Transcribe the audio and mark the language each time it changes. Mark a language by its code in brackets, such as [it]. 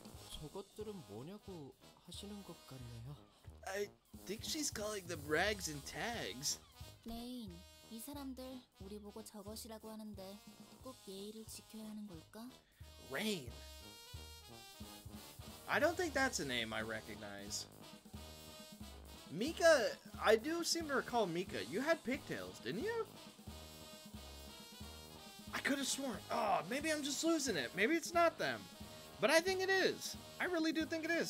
[ko] 저것들은 뭐냐고 하시는 것 같네요. [en] I think she's calling them rags and tags. [ko] Lane, 이 사람들 우리 보고 저것이라고 하는데 꼭 예의를 지켜야 하는 걸까? [en] Rain. I don't think that's a name I recognize. Mika, I do seem to recall Mika. You had pigtails, didn't you? I could have sworn. Oh, maybe I'm just losing it. Maybe it's not them. But I think it is. I really do think it is.